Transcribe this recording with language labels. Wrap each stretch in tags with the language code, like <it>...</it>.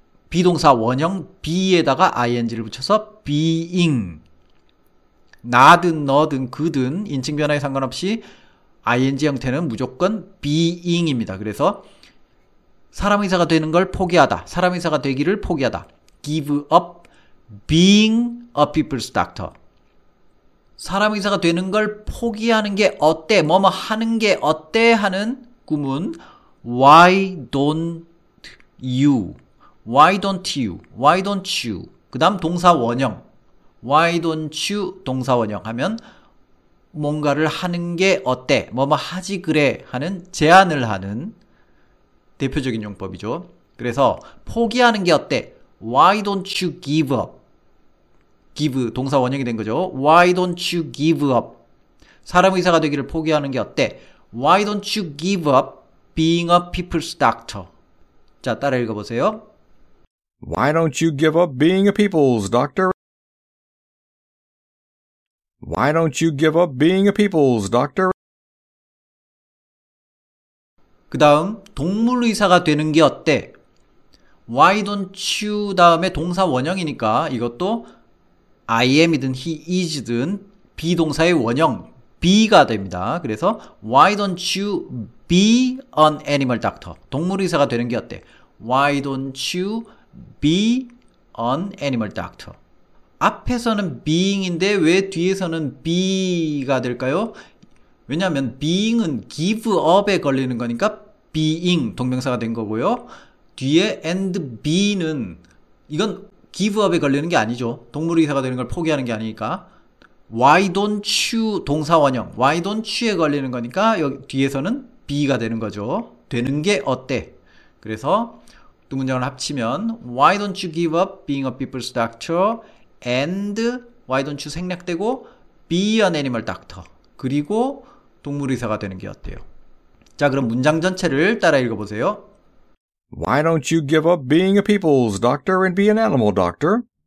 <ko>비동사 원형 be에다가 ing를 붙여서 being. 나든 너든 그든 인칭 변화에 상관없이 ing 형태는 무조건 being입니다. 그래서 사람 의사가 되는 걸 포기하다. 사람 의사가 되기를 포기하다.</ko> <en>Give up being a people's doctor.</en> <ko>사람 의사가 되는 걸 포기하는 게 어때? 뭐뭐 하는 게 어때? 하는 구문</ko> <en>Why don't you? Why don't you? Why don't you?</en> <ko>그 다음 동사 원형</ko> <en>Why don't you?</en> <ko>동사 원형 하면 뭔가를 하는 게 어때? 뭐뭐 하지 그래? 하는 제안을 하는 대표적인 용법이죠. 그래서 포기하는 게 어때?</ko> <en>Why don't you give up?</en> <ko>Give, 동사 원형이 된 거죠.</ko> <en>Why don't you give up?</en> <ko>사람 의사가 되기를 포기하는 게 어때?</ko> <en>Why don't you give up being a people's doctor?</en> <ko>자, 따라 읽어보세요.</ko> <en>Why don't you give up being a people's doctor? Why don't you give up being a people's doctor?</en> <ko>그 다음, 동물 의사가 되는 게 어때?</ko> <en>Why don't you</en> <ko>다음에 동사 원형이니까 이것도</ko> <en>I am</en> <ko>이든</ko> <en>he is</en> <ko>든 비동사의 원형 be가 됩니다. 그래서</ko> <en>why don't you be an animal doctor?</en> <ko>동물 의사가 되는 게 어때?</ko> <en>Why don't you be an animal doctor?</en> <ko>앞에서는 being인데 왜 뒤에서는 be가 될까요? 왜냐하면 being은 give up에 걸리는 거니까 being 동명사가 된 거고요. 뒤에 and be는 이건 give up에 걸리는 게 아니죠. 동물 의사가 되는 걸 포기하는 게 아니니까</ko> <en>why don't you</en> <ko>동사 원형</ko> <en>why don't you</en> <ko>에 걸리는 거니까 여기 뒤에서는 be가 되는 거죠. 되는 게 어때? 그래서 두 문장을 합치면</ko> <en>why don't you give up being a people's doctor and why don't you</en> <ko>생략되고</ko> <en>be an animal doctor</en> <ko>그리고 동물 의사가 되는 게 어때요? 자, 그럼 문장 전체를 따라 읽어보세요.</ko> <en>Why don't you give up being a people's doctor and be an animal doctor?</en>